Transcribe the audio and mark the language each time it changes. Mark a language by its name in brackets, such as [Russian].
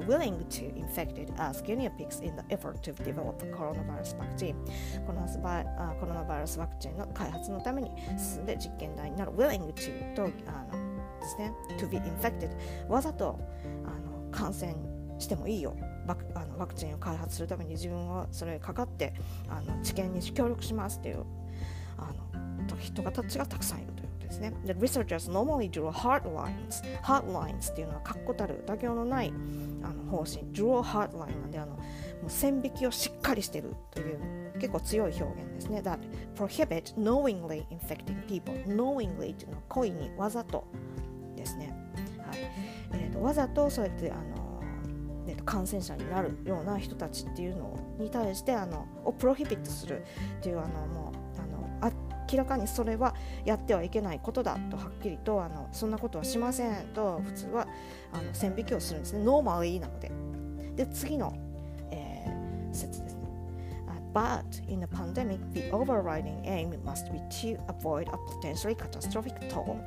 [English] Willing to infect it as guinea pigs in the effort to develop the coronavirus vaccine. [Japanese] コロナウイルスワクチンの開発のために進んで実験台になる [English] Willing to [Japanese] とですね、 [English] to be infected [Japanese] わざと感染してもいいよ、ワクチンを開発するために自分はそれにかかって治験に協力しますという人たちがたくさんいるということです。ですね。で、 [English] researchers normally draw hard lines。 hard lines [Japanese] っていうのは確固たる妥協のない方針。 [English] draw hard line [Japanese] なんで、もう線引きをしっかりしてるという結構強い表現ですね。 [English] that prohibit knowingly infecting people。 [Japanese] knowingly っていうのは故意に、わざとですね。はい。わざとそうやって感染者になるような人たちっていうのに対してをプロヒビットするっていう明らかにそれはやってはいけないことだとはっきりとそんなことはしませんと普通は線引きをするんですね。ノーマルなので。で次の、説ですね。 [English] But in a pandemic, the overriding aim must be to avoid a potentially catastrophic toll.